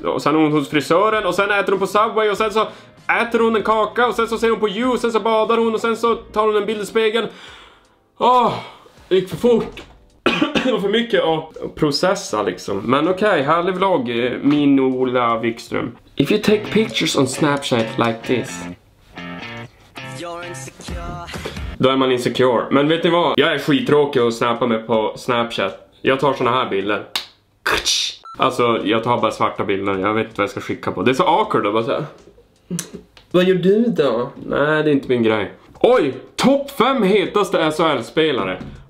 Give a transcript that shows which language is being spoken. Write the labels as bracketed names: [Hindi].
[Swedish] Och sen är hon hos frisören och sen äter hon på Subway och sen så äter hon en kaka och sen så ser hon på ljus och sen så badar hon och sen så tar hon en bild i spegeln. Åh, det gick för fort. Det var för mycket att processa liksom. Men okej, okay, härlig vlogg, min Ola Wikström. [English] If you take pictures on Snapchat like this. You're insecure. [Swedish] Då är man insecure. Men vet ni vad? Jag är skittråkig att snappa mig på Snapchat. Jag tar såna här bilder. Alltså, jag tar bara svarta bilder. Jag vet inte vad jag ska skicka på. Det är så awkward att bara säga. Vad gör du då? Nej, det är inte min grej. Oj! Topp 5 hetaste SHL-spelare.